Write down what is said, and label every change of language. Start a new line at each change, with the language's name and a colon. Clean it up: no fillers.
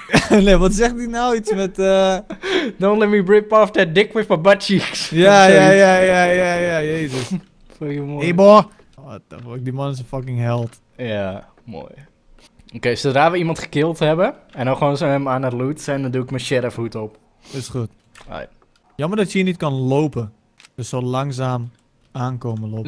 Dutch: Nee, wat zegt hij nou iets met.
English: Don't let me rip off that dick with my butt cheeks.
Dutch: Ja, jezus. Fucking mooi.
English: Hey boy! What the fuck,
Dutch: die man is een fucking held. Ja, yeah, mooi. Oké, zodra we iemand gekillt hebben en dan gewoon zo hem aan het loot zijn, dan doe ik mijn sheriff hoed op. Is goed. Allee. Jammer dat je hier niet kan lopen. Dus zo langzaam aankomen lopen.